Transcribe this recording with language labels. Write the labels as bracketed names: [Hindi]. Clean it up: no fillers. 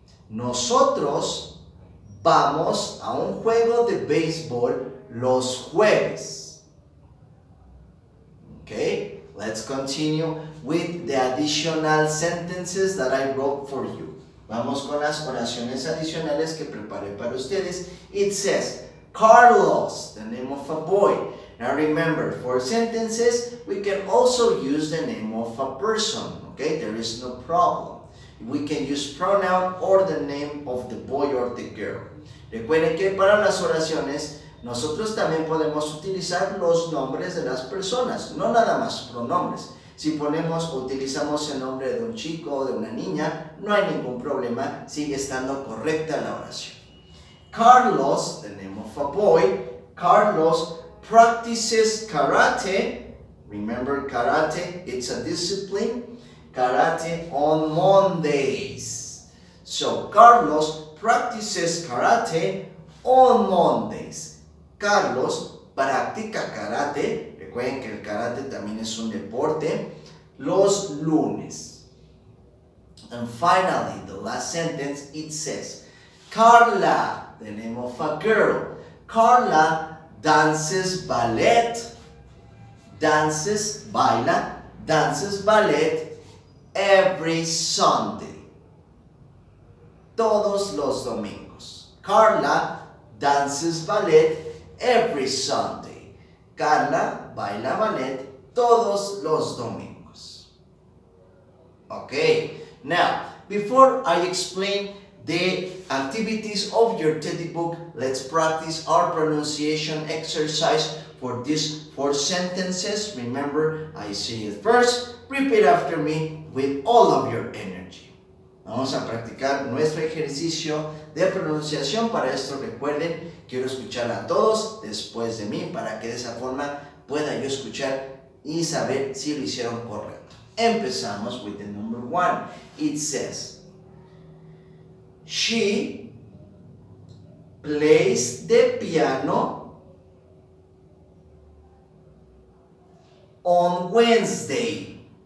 [Spanish] Nosotros vamos a un juego de baseball los jueves. [English] Okay? Let's continue with the additional sentences that I wrote for you. [Spanish] Vamos con las oraciones adicionales que preparé para ustedes. [English] It says, Carlos, the name of a boy. Now remember, for sentences, we can also use the name of a person. Okay, there is no problem. We can use pronoun or the name of the boy or the girl. [Spanish] Recuerden que para las oraciones, nosotros también podemos utilizar los nombres de las personas, no nada más pronombres. Si ponemos o utilizamos el nombre de un chico o de una niña, no hay ningún problema, sigue estando correcta la oración. [English] Carlos, the name of a boy, Carlos practices karate. Remember, karate, it's a discipline. Karate on Mondays. So, Carlos practices karate on Mondays. [Spanish] Carlos practica karate. Recuerden que el karate también es un deporte. Los lunes. [English] And finally, the last sentence, it says, Carla, the name of a girl, Carla dances ballet, dances, baila, dances ballet every Sunday. [Spanish] Todos los domingos. [English] Carla dances ballet every Sunday. [Spanish] Carla baila ballet todos los domingos. [English] Okay, now, before I explain the activities of your teddy book, let's practice our pronunciation exercise for these four sentences. Remember, I say it first, repeat after me with all of your energy. [Spanish] Vamos a practicar nuestro ejercicio de pronunciación. Para esto, recuerden, quiero escuchar a todos después de mí para que de esa forma pueda yo escuchar y saber si lo hicieron correcto. [English] Empezamos with the number one. It says, she plays the piano on Wednesday.